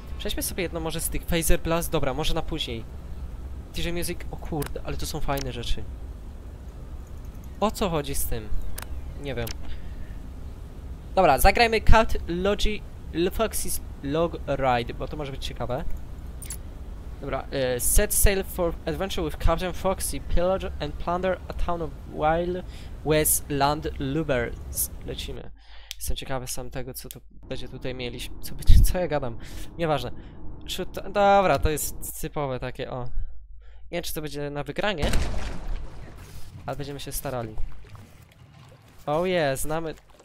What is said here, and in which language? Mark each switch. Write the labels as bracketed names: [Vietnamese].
[Polish] Przejdźmy sobie jedno może z tych Phaser Blast, dobra, może na później. DJ Music, o kurde, ale to są fajne rzeczy. O co chodzi z tym? Nie wiem. Dobra, zagrajmy Cat Logi Foxy's Log Ride, bo to może być ciekawe. Dobra, [English] set sail for adventure with Captain Foxy, pillage and plunder a town of Wild West Land Lubers. [Polish] Lecimy. Jestem ciekawy sam tego, co to będzie tutaj mieliśmy. Co będzie, co ja gadam? Nieważne. Dobra, to jest typowe takie, o. Nie wiem, czy to będzie na wygranie, ale będziemy się starali. [English] Oh yeah, [Polish] znamy.